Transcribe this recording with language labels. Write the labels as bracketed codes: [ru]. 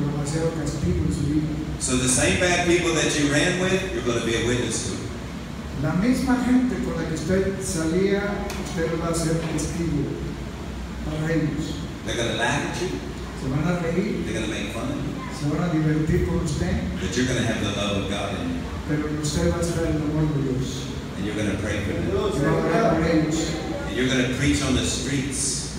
[en] So the same bad people that you ran with, you're going to be a witness to. [es] La misma gente con la que usted salía, usted va a ser testigo para ellos. [en] They're going to laugh at you. [es] Se van a reír. [en] They're going to make fun of you. But you're going to have the love of God in you. And you're going to pray for them. And you're going to preach on the streets.